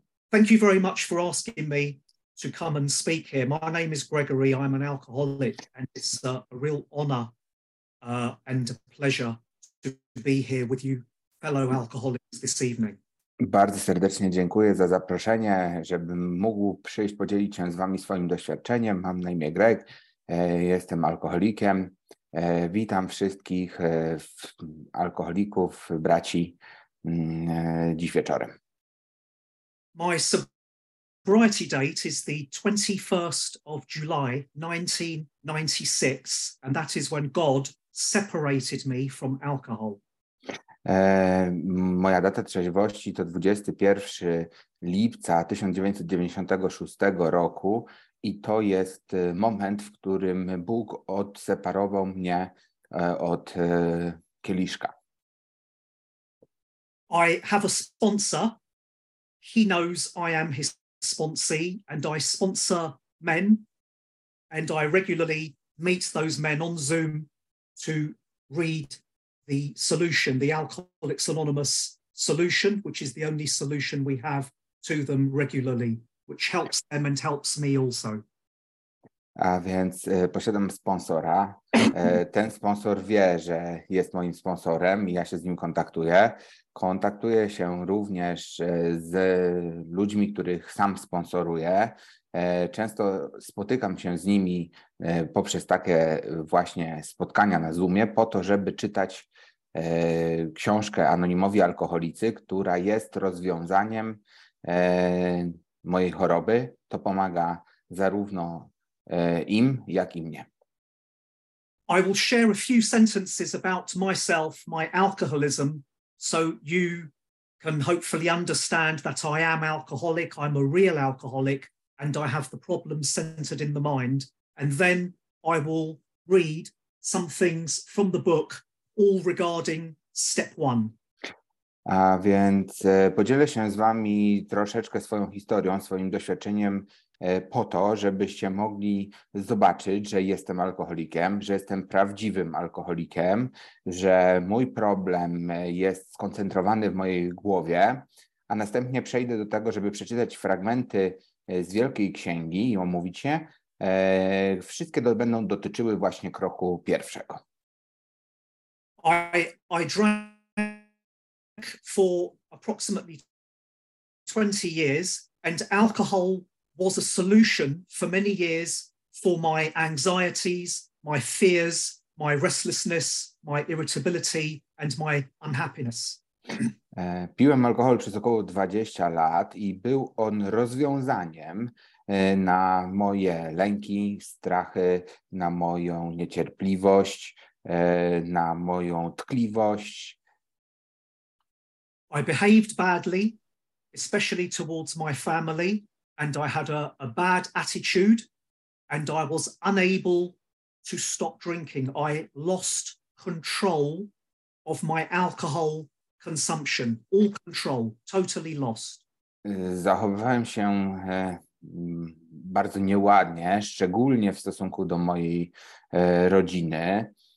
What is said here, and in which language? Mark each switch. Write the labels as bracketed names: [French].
[English] Thank you very much for asking me to come and speak here. My name is Gregory. I'm an alcoholic, and it's a real honor and a pleasure to be here with you fellow alcoholics this evening. [Polish] Bardzo serdecznie dziękuję za zaproszenie, żebym mógł przyjść podzielić się z Wami swoim doświadczeniem. Mam na imię Greg, jestem alkoholikiem. Witam wszystkich alkoholików, braci, dziś wieczorem. [English] My sobriety date is the 21st of July 1996, and that is when God separated me from alcohol. [Polish] Moja data trzeźwości to 21 lipca 1996 roku i to jest moment, w którym Bóg odseparował mnie od kieliszka. [English] I have a sponsor. He knows I am his sponsee, and I sponsor men, and I regularly meet those men on Zoom to read the solution, the Alcoholics Anonymous solution, which is the only solution we have to them regularly, which helps them and helps me also. [Polish] A więc posiadam sponsora. Ten sponsor wie, że jest moim sponsorem i ja się z nim kontaktuję. Kontaktuję się również z ludźmi, których sam sponsoruję. Często spotykam się z nimi poprzez takie właśnie spotkania na Zoomie po to, żeby czytać książkę Anonimowi Alkoholicy, która jest rozwiązaniem mojej choroby. To pomaga zarówno im, jak i mnie. [English] I will share a few sentences about myself, my alcoholism, so you can hopefully understand that I am alcoholic, I'm a real alcoholic, and I have the problem centered in the mind. And then I will read some things from the book, all regarding step one. [Polish] A więc podzielę się z Wami troszeczkę swoją historią, swoim doświadczeniem po to, żebyście mogli zobaczyć, że jestem alkoholikiem, że jestem prawdziwym alkoholikiem, że mój problem jest skoncentrowany w mojej głowie, a następnie przejdę do tego, żeby przeczytać fragmenty z Wielkiej Księgi i omówić je. Wszystkie będą dotyczyły właśnie kroku pierwszego. [English] I drank for approximately 20 years and alcohol was a solution for many years for my anxieties, my fears, my restlessness, my irritability and my unhappiness. [Polish] Piłem alkohol przez około 20 lat i był on rozwiązaniem na moje lęki, strachy, na moją niecierpliwość, na moją tkliwość. [English] I behaved badly, especially towards my family, and I had a bad attitude, and I was unable to stop drinking. I lost control of my alcohol consumption, all control, totally lost. [Polish] Zachowywałem się bardzo nieładnie, szczególnie w stosunku do mojej rodziny.